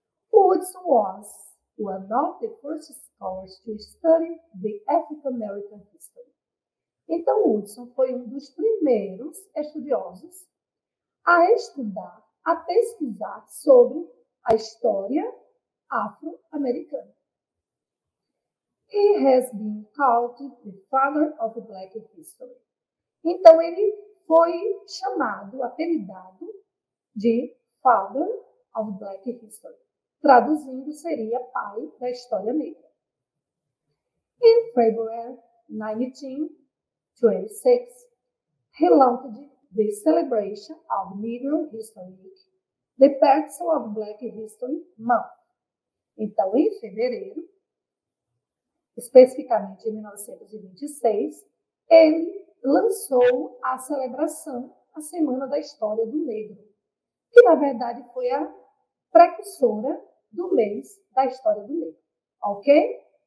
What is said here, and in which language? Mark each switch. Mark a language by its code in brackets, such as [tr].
[en] O Woodson was one of the first scholars to study the African American history. [pt] Então, Woodson foi um dos primeiros estudiosos a estudar a pesquisar sobre a história afro-americana. [en] He has been called the father of the black history. [pt] Então, ele foi chamado, apelidado, de [en] father of black history. [pt] Traduzindo, seria pai da história negra. [en] In February 1926, he launched the celebration of Negro History Week, the Pencil of Black History Month. [pt] Então, em fevereiro, especificamente em 1926, ele lançou a celebração, a Semana da História do Negro, que na verdade foi a precursora do mês da História do Negro, ok?